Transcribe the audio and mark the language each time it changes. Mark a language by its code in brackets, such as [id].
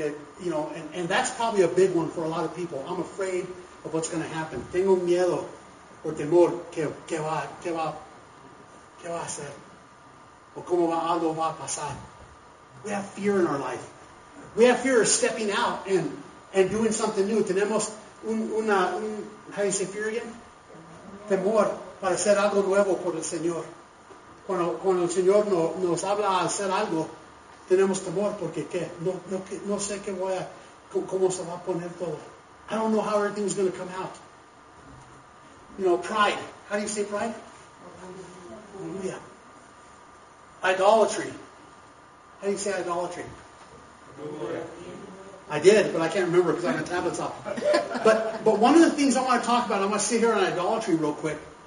[en] that, you know, and that's probably a big one for a lot of people. I'm afraid of what's going to happen. [es] Tengo miedo o temor que va a hacer o cómo va algo va a pasar. [en] We have fear in our life. We have fear of stepping out and doing something new. [es] Tenemos un [en] how do you say fear again? [es] Temor para hacer algo nuevo por el Señor. Cuando el Señor nos habla a hacer algo, tenemos temor porque qué? No sé qué voy a cómo se va a poner todo. [en] I don't know how everything is going to come out. You know, pride. How do you say pride? Yeah. Idolatry. How do you say idolatry? I did, but I can't remember because I have my tablets off. But one of the things I want to talk about, I'm going to sit here on idolatry real quick.